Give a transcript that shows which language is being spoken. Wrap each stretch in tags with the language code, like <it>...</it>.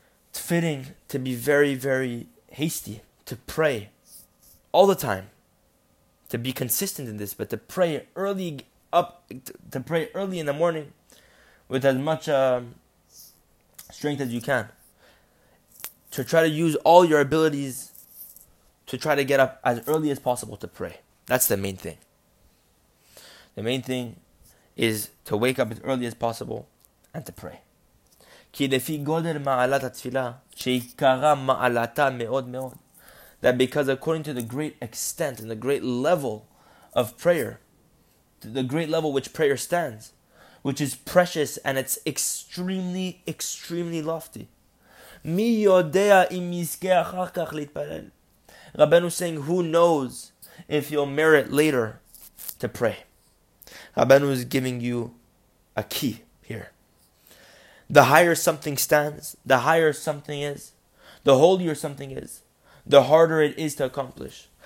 <en>It's fitting to be very, very hasty, to pray all the time, to be consistent in this, but to pray early up, to pray early in the morning with as much strength as you can. To try to use all your abilities to try to get up as early as possible to pray. That's the main thing. The main thing is to wake up as early as possible and to pray.</en> <he>כי לפי גודל מעלת התפילה, שעיקרה מעלתה מאוד מאוד.</he> <en>That because according to the great extent and the great level of prayer, the great level which prayer stands, which is precious and it's extremely, extremely lofty.</en> <he>מי יודע אם יזכה אחר כך להתפלל?</he> <en>Rabbeinu saying, who knows if you'll merit later to pray? Rabbeinu is giving you a key here. The higher something stands, the higher something is, the holier something is, the harder it is to accomplish.</en>